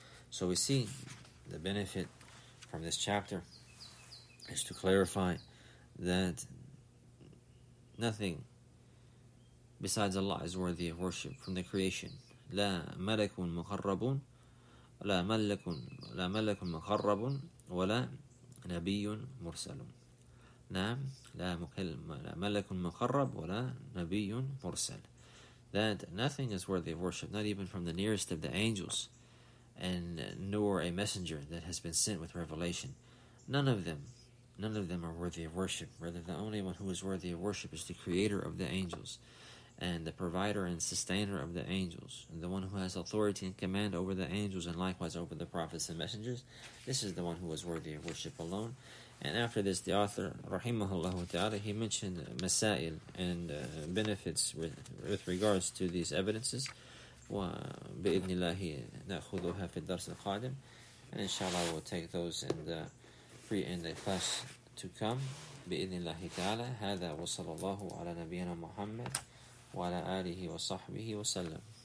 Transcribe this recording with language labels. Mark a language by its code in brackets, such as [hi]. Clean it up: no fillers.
[en] So we see the benefit from this chapter is to clarify that nothing besides Allah is worthy of worship from the creation. [ar] لا ملك مقرب لا ملك لا ملك مقرب ولا نبي مرسل. نعم لا مكلم لا ملك مقرب ولا نبي مرسل. [en] That nothing is worthy of worship, not even from the nearest of the angels, and nor a messenger that has been sent with revelation. None of them are worthy of worship. Rather, the only one who is worthy of worship is the creator of the angels. and the provider and sustainer of the angels, and the one who has authority and command over the angels and likewise over the prophets and messengers. This is the one who is worthy of worship alone. And after this, the author, rahimahullah ta'ala, he mentioned masail and benefits with regards to these evidences. [ar] وَبِإِذْنِ نَأْخُذُهَا فِي الدَّرْسِ الْقَادِمِ. [en] And inshallah, we'll take those in the class to come. [ar] بإذن الله تعالى هذا وصلى الله على نبينا محمد وعلى آله وصحبه وسلم.